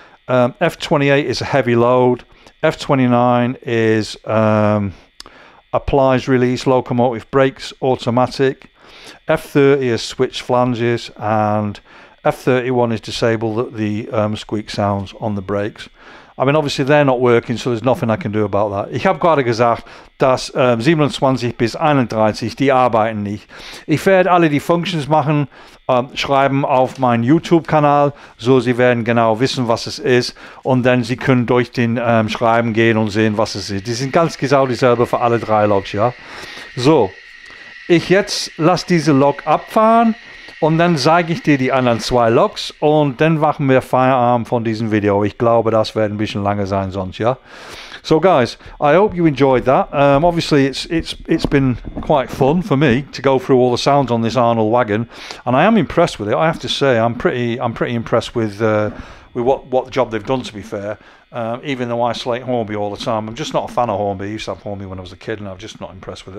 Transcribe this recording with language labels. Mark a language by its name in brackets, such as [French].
[English] F28 is a heavy load. F29 is applies release locomotive brakes automatic. F30 is switch flanges. And F31 is disable the squeak sounds on the brakes. I mean, obviously they're not working, so there's nothing I can do about that. [German] Ich habe gerade gesagt, dass 27 bis 31, die arbeiten nicht. Ich werde alle die Functions machen, schreiben auf meinen YouTube-Kanal, so sie werden genau wissen, was es ist. Und dann sie können durch den Schreiben gehen und sehen, was es ist. Die sind ganz genau dieselbe für alle drei Loks, ja. So, ich jetzt lasse diese Lok abfahren. Und dann zeige ich dir die anderen zwei Loks und dann machen wir Feierabend von diesem Video. Ich glaube, das wird ein bisschen lange sein sonst, ja? [English] So, guys, I hope you enjoyed that. Obviously, it's been quite fun for me to go through all the sounds on this Arnold wagon. And I am impressed with it. I have to say, I'm pretty impressed with what job they've done, to be fair. Even though I slate Hornby all the time, I'm just not a fan of Hornby. I used to have Hornby when I was a kid and I'm just not impressed with it.